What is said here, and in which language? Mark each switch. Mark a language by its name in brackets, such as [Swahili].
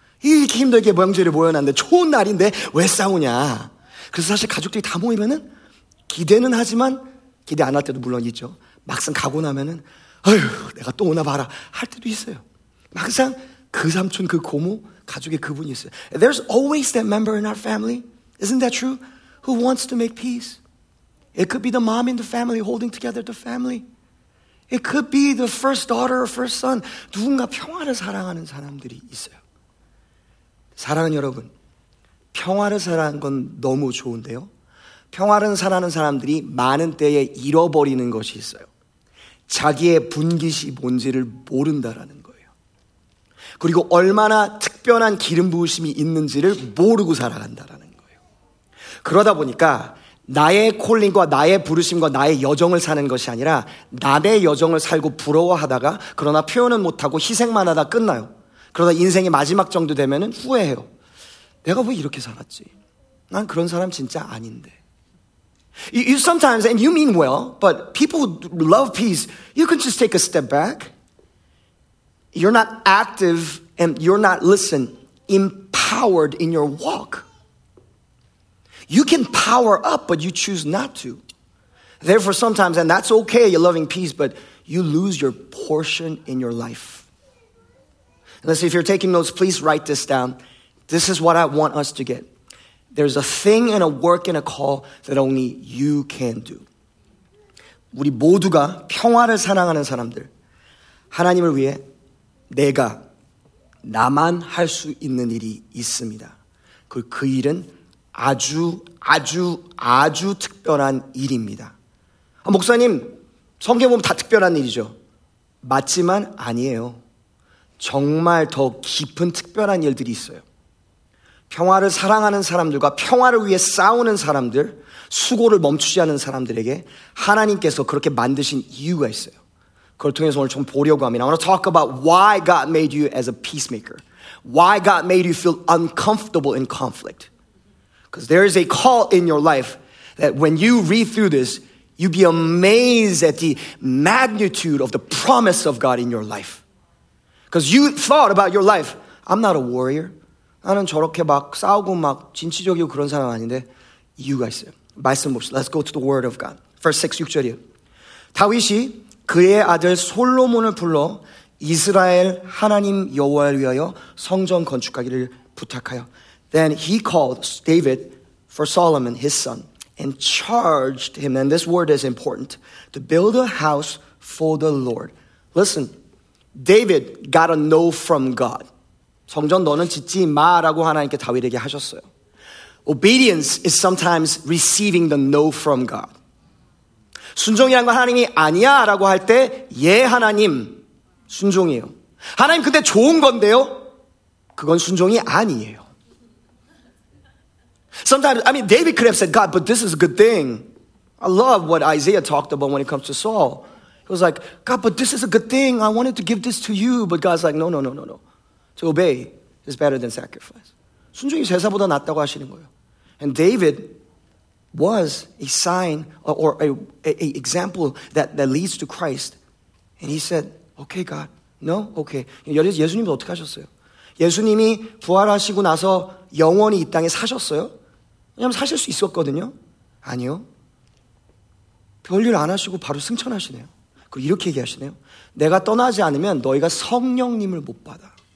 [Korean] 이렇게 힘들게 명절에 모여놨는데 좋은 날인데 왜 싸우냐. 그래서 사실 가족들이 다 모이면은 기대는 하지만 기대 안 할 때도 물론 있죠. 막상 가고 나면은 아휴 내가 또 오나 봐라 할 때도 있어요. 막상 그 삼촌 그 고모 가족에 그분이 있어요. [English] There's always that member in our family, isn't that true? Who wants to make peace. It could be the mom in the family holding together the family. It could be the first daughter or first son. [Korean] 누군가 평화를 사랑하는 사람들이 있어요. 사랑하는 여러분, 평화를 사랑하는 건 너무 좋은데요. 평화를 사랑하는 사람들이 많은 때에 잃어버리는 것이 있어요. 자기의 분깃이 뭔지를 모른다라는 거예요. 그리고 얼마나 특별한 기름 부으심이 있는지를 모르고 살아간다라는 거예요. 그러다 보니까 나의 콜링과 나의 부르심과 나의 여정을 사는 것이 아니라 남의 여정을 살고 부러워하다가 그러나 표현은 못하고 희생만 하다 끝나요. 그러다 인생의 마지막 정도 되면은 후회해요. 내가 왜 이렇게 살았지? 난 그런 사람 진짜 아닌데. [English] You sometimes, and you mean well, but people who love peace, you can just take a step back. You're not active and you're not, listen, empowered in your walk. You can power up, but you choose not to. Therefore, sometimes, and that's okay, you're loving peace, but you lose your portion in your life. Listen, if you're taking notes, please write this down. This is what I want us to get. There's a thing and a work and a call that only you can do. [Korean] 우리 모두가 평화를 사랑하는 사람들, 하나님을 위해 내가, 나만 할 수 있는 일이 있습니다. 그 일은 아주, 아주, 아주 특별한 일입니다. 아, 목사님, 성경 보면 다 특별한 일이죠. 맞지만 아니에요. 정말 더 깊은 특별한 일들이 있어요. 평화를 사랑하는 사람들과 평화를 위해 싸우는 사람들, 수고를 멈추지 않는 사람들에게 하나님께서 그렇게 만드신 이유가 있어요. 그걸 통해서 오늘 좀 보려고 합니다. [English] I want to talk about why God made you as a peacemaker. Why God made you feel uncomfortable in conflict. Because there is a call in your life that when you read through this, you'd be amazed at the magnitude of the promise of God in your life. Because you thought about your life, I'm not a warrior. [Korean] 나는 저렇게 막 싸우고 막 진취적이고 그런 사람 아닌데 이유가 있어요. 말씀 봅시다. [English] Let's go to the word of God. Verse 6, [Korean] 6절이요. 다윗이 그의 아들 솔로몬을 불러 이스라엘 하나님 여호와를 위하여 성전 건축하기를 부탁하여. [English] Then he called David for Solomon his son and charged him, and this word is important, to build a house for the Lord. Listen, David got a no from God. [Korean] 성전 너는 짓지 마라고 하나님께 다윗에게 하셨어요. [English] Obedience is sometimes receiving the no from God. [Korean] 순종이란 건 하나님이 아니야 라고 할 때 예 하나님 순종이에요. 하나님 근데 좋은 건데요? 그건 순종이 아니에요. [English] Sometimes, I mean, David could have said, God, but this is a good thing. I love what Isaiah talked about when it comes to Saul. He was like, God, but this is a good thing. I wanted to give this to you. But God's like, no. To obey is better than sacrifice. [Korean] 순종이 제사보다 낫다고 하시는 거예요. [English] And David was a sign or a example that leads to Christ. And he said, okay, God, no? Okay. [Korean] 예수님은 어떻게 하셨어요? 예수님이 부활하시고 나서 영원히 이 땅에 사셨어요? 왜냐면 사실 수 있었거든요. 아니요. 별일 안 하시고 바로 승천하시네요. 그리고 이렇게 얘기하시네요. 내가 떠나지 않으면 너희가 성령님을 못 받아.